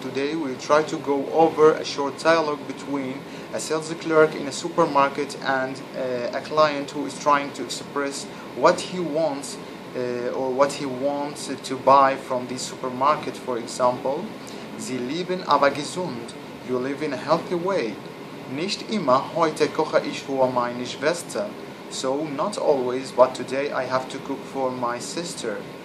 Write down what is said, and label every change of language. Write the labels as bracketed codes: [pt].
[en] Today we will try to go over a short dialogue between a sales clerk in a supermarket and a client who is trying to express what he wants or what he wants to buy from the supermarket. For example, [de] Sie leben aber gesund. [en] You live in a healthy way. [de] Nicht immer heute koche ich für meine Schwester. [en] So not always, but today I have to cook for my sister.